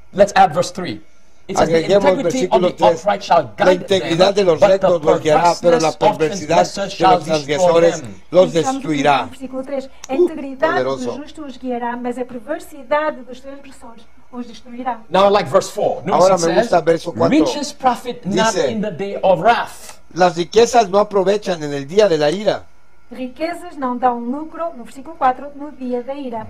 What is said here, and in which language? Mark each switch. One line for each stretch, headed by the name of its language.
English: Let's add verse 3.
Spanish: Agreguemos el versículo 3. La integridad de los rectos los guiará, pero la perversidad de los transgresores los destruirá. Versículo 3. La integridad de los justos los guiará, mas la perversidad de los transgresores los destruirá.
English: Now I like verse 4.
Spanish: Ahora me gusta el verso 4.
English: Riches profit not in the day of wrath.
Spanish: Las riquezas no aprovechan en el día de la ira.
Portuguese: Riquezas não dão lucro, no versículo 4, no dia da ira.